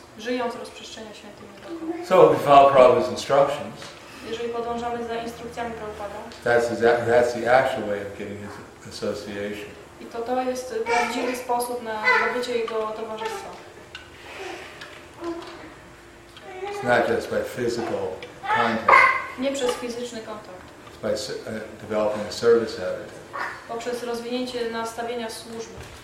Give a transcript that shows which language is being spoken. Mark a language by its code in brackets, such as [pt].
[pl] Żyjąc rozprzestrzenia święte imię dookoła. [en] So if we follow Prabhupada's instructions, [pl] jeżeli podążamy za instrukcjami Prabhupada, [en] that's the actual way of getting his association. [pl] I to jest prawdziwy sposób na zdobycie jego towarzystwa. [en] It's not just by physical contact. [pl] Nie przez fizyczny kontakt. [en] It's by developing a service attitude. [pl] Poprzez rozwinięcie nastawienia służby.